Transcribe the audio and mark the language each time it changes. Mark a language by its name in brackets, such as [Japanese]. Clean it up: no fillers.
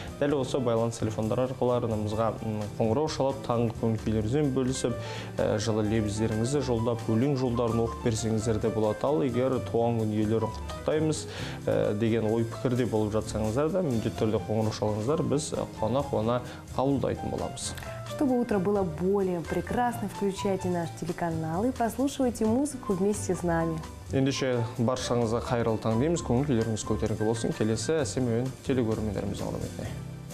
[Kazakh] Дәл осы байланыс телефондары арқылы арнамызға қоңырау шалып, таңғы көңіл күйлерімізбен бөлісіп, жылы лебіздеріңізді жолдап, өлең жолдарын оқып берсеңіздер де болады. Ал егер туған күн иелерін құттықтаймыз деген ой пікірде болып жатсаңыздар да, міндетті түрде қоңырау шалыңыздар, біз қуана-қуана қабылдайтын боламыз. [Russian] Чтобы утро было более прекрасно, включайте наш телеканал и прослушивайте музыку вместе с нами. [Kazakh] Ендеше баршаңызға қайырлы таң дейміз, көңіл күйлеріңіз көтеріңкі болсын, келесі әсем өн телекөрермендеріміз орнымен.